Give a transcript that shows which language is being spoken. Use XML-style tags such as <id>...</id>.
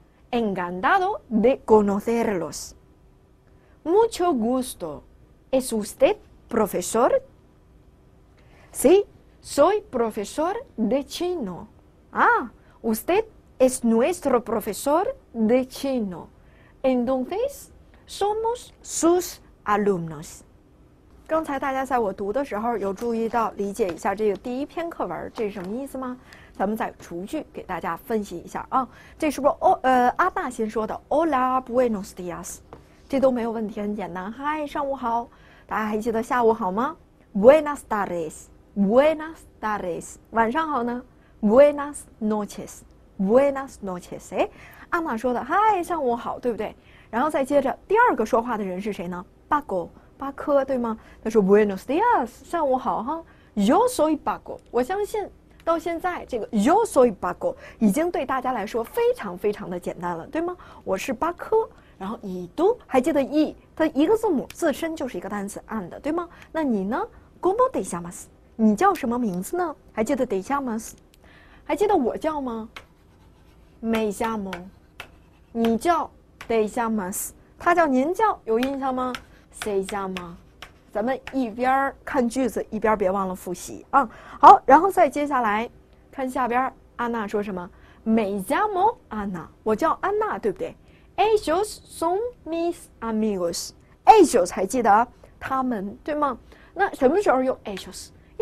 <es>Encantado de conocerlos. Mucho gusto. ¿Es usted profesor? Sí, soy profesor de chino. Ah, usted es nuestro profesor de chino. Entonces... Somos sus alumnos.</es> <zh>刚才大家在我读的时候有注意到理解一下这个第一篇课文，这是什么意思吗？咱们再逐句给大家分析一下啊。这是不是阿娜先说的 ？</zh> <es>Hola, buenos días.</es> <zh>这都没有问题，很简单。嗨，上午好。大家还记得下午好吗 ？</zh> <es>Buenas tardes. Buenas tardes.</es> <zh>晚上好呢 ？</zh> <es>Buenas noches. Buenas noches.</es> <zh>哎，阿娜说的，嗨，上午好，对不对？然后再接着第二个说话的人是谁呢？巴哥，巴科，对吗？他说</zh> <es>Buenos días，</es> <zh>上午好哈。</zh> <es>Yo soy Paco，</es> <zh>我相信到现在这个 Yo soy Paco 已经对大家来说非常非常的简单了，对吗？我是巴科。然后你都还记得 E， 它一个字母自身就是一个单词 and， 对吗？那你呢 ？</zh> <es>¿Cómo te llamas？</es> <zh>你叫什么名字呢？还记得</zh> <es>te llamas？</es> <zh>还记得我叫吗 ？</zh> <es>Me llamo，</es> <zh>你叫。</zh> <es>Te llamas，</es> <zh>他叫您叫，有印象吗 ？</zh> <es>Se llama，</es> <zh>咱们一边看句子，一边别忘了复习啊、嗯。好，然后再接下来看下边，安娜说什么 ？</zh> <es>Me llamo Ana，</es> <zh>我叫安娜，对不对 ？</zh> <es>Ellos son mis amigos，</es> <zh>Ellos 还记得他们对吗？那什么时候用 Ellos？ 一</zh>